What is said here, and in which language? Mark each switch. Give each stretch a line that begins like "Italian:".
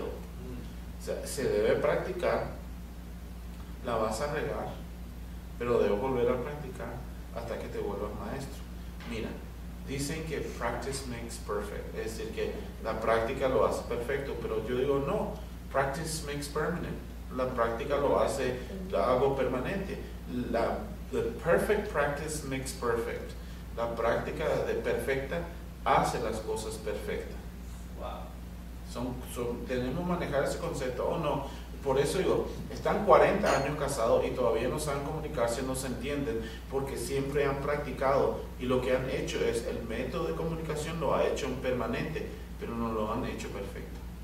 Spanish: O sea, se debe practicar, la vas a regar, pero debo volver a practicar hasta que te vuelvas maestro. Mira, dicen que
English: practice makes perfect,
Spanish: es decir, que la práctica lo hace perfecto, pero yo digo no,
English: practice makes permanent.
Spanish: La práctica lo hace, lo hago permanente.
English: The perfect practice makes perfect.
Spanish: La práctica de perfecta hace las cosas perfectas. Wow. Tenemos que manejar ese concepto. Oh, no. Por eso digo, están 40 años casados y todavía no saben comunicarse, no se entienden, porque siempre han practicado. Y lo que han hecho es, el método de comunicación lo ha hecho en permanente, pero no lo han hecho perfecto.